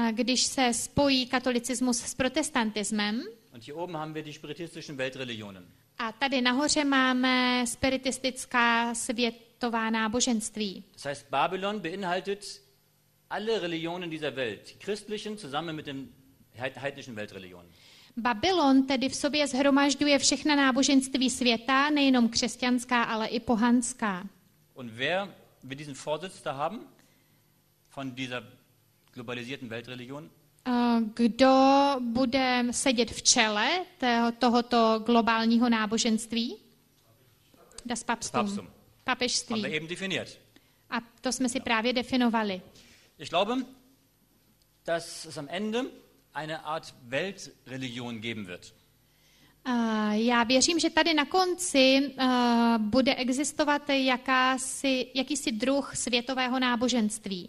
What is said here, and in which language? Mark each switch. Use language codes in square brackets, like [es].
[cs] Když se spojí katolicismus s protestantismem. [de] Und hier oben haben wir die spiritistischen Weltreligionen. [cs] A tady nahoře máme spiritistická světová náboženství. [de] Das heißt, Babylon beinhaltet alle Religionen dieser Welt, die christlichen zusammen mit den heidnischen Weltreligionen. [cs] Babylon tedy v sobě shromažďuje všechna náboženství světa, nejenom křesťanská, ale i pohanská. [de] Und wer wird diesen Vorsitz da haben von dieser globalisierten Weltreligion? [cs] Kdo bude sedět v čele tohoto globálního náboženství? [de] Das Papstum. [cs] Papežství. [de] Haben wir eben definiert. [cs] A to jsme si právě definovali. [de] Ich glaube, dass es am Ende eine Art Weltreligion geben wird. [cs] Já věřím, že tady na konci bude existovat jakýsi druh světového náboženství.